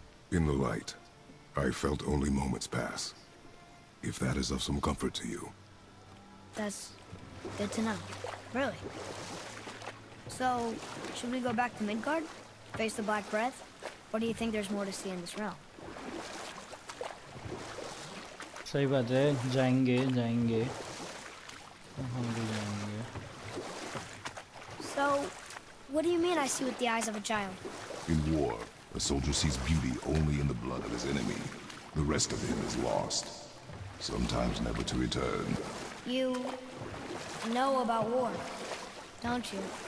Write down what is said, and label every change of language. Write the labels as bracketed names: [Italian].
[English] In the light, I felt only moments pass. If that is of some comfort to you. That's good to know. Really. So, should we go back to Midgard? Face the Black Breath? Or do you think there's more to see in this realm? [Hindi] सही बात है, जाएंगे जाएंगे हम भी जाएंगे. [English] So, what do you mean I see with the eyes of a child? In war, a soldier sees beauty only in the blood of his enemy. The rest of him is lost, sometimes never to return. You know about war, don't you?